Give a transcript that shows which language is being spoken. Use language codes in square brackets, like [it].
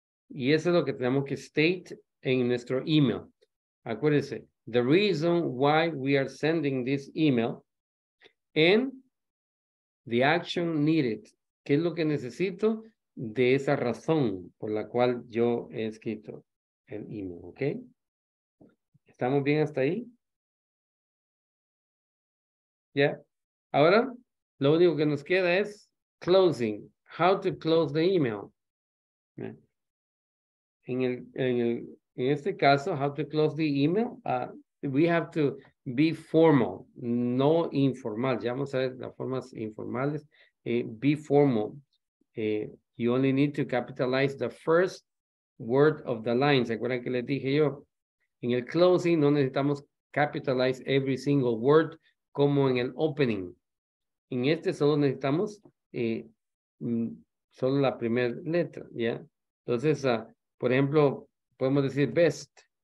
[es] Y eso es lo que tenemos que state en nuestro email. Acuérdense. [en] The reason why we are sending this email and the action needed. [es] ¿Qué es lo que necesito de esa razón por la cual yo he escrito el email? ¿Ok? ¿Estamos bien hasta ahí? ¿Ya? Yeah. Ahora, lo único que nos queda es closing. [en] How to close the email. [es] En este caso, [en] how to close the email. We have to be formal, no informal. [es] Ya vamos a ver las formas informales. [en] Be formal. You only need to capitalize the first word of the line. [es] ¿Se acuerdan que les dije yo? En el closing no necesitamos [en] capitalize every single word [es] como en el opening. En este solo necesitamos solo la primera letra. ¿Ya? Entonces, por ejemplo, podemos decir best.